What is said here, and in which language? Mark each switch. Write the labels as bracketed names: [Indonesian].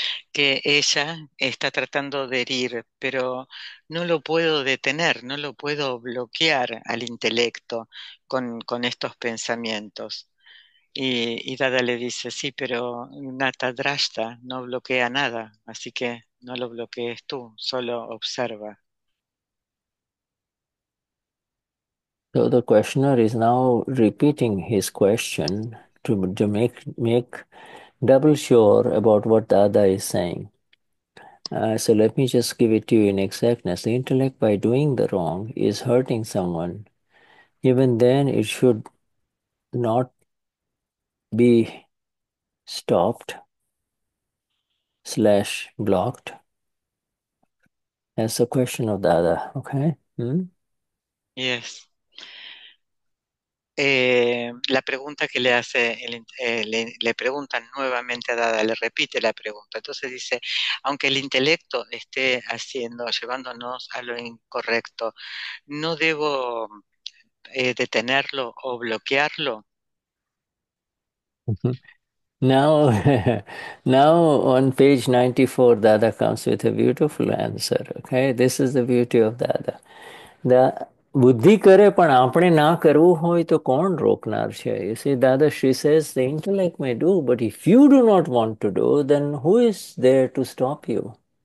[Spanish] Que ella está tratando de herir, pero no lo puedo detener, no lo puedo bloquear al intelecto con estos pensamientos. Y Dada le dice, sí, pero Gnata-Drashta no bloquea nada, así que no lo bloquees tú, solo observa. [English] So the questioner is now repeating his question to make double sure about what Dada is saying. So let me just give it to you in exactness. The intellect, by doing the wrong, is hurting someone. Even then, it should not be stopped / blocked. That's the question of Dada, okay? Yes. [Spanish] La pregunta que le hace, le preguntan nuevamente a Dada, le repite la pregunta. Entonces dice, aunque el intelecto esté llevándonos a lo incorrecto, ¿no debo detenerlo o bloquearlo? [English] Now on page 94, Dada comes with a beautiful answer. Okay, this is the beauty of Dada. The [Gujarati] buddhi kare pan apne na karu hoy to kon roknar chhe. [English] You see, Dada Shri says the intellect may do, but if you do not want to do, then who is there to stop you?